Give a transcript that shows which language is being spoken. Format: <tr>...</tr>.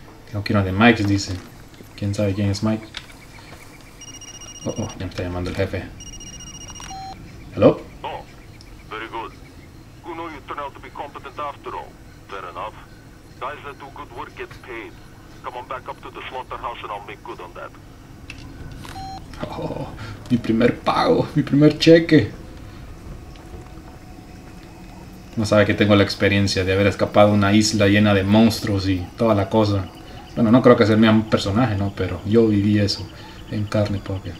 <es>Tengo que ir a de Mike's, dice. ¿Quién sabe quién es Mike? Oh, ya me está llamando el jefe.</es> <en>Hello? Oh, very good. Who knew you turned out to be competent after all? Fair enough. Guys that do good work get paid. Come on back up to the slaughterhouse and I'll make good on that.</en> <es>Oh, mi primer pago, mi primer cheque. No sabe que tengo la experiencia de haber escapado a una isla llena de monstruos y toda la cosa. Bueno, no creo que sea mi personaje, ¿no? Pero yo viví eso en carne propia.</es>